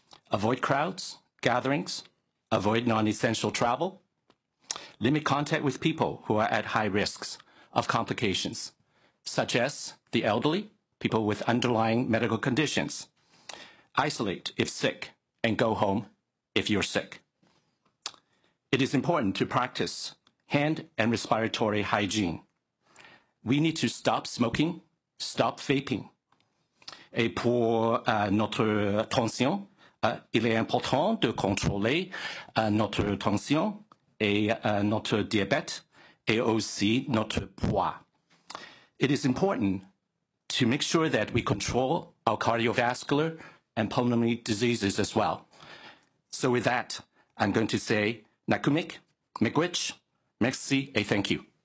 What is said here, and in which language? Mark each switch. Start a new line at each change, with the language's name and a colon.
English: Avoid crowds, gatherings, avoid non-essential travel, limit contact with people who are at high risks of complications, such as the elderly, people with underlying medical conditions. Isolate if sick and go home if you're sick. It is important to practice hand and respiratory hygiene. We need to stop smoking, stop vaping.
French: Et pour notre attention, il est important de contrôler notre tension et notre diabète et aussi notre poids.
English: It is important to make sure that we control our cardiovascular and pulmonary diseases as well. So with that, I'm going to say Nakumik, Miigwech,
French: merci et
English: thank you.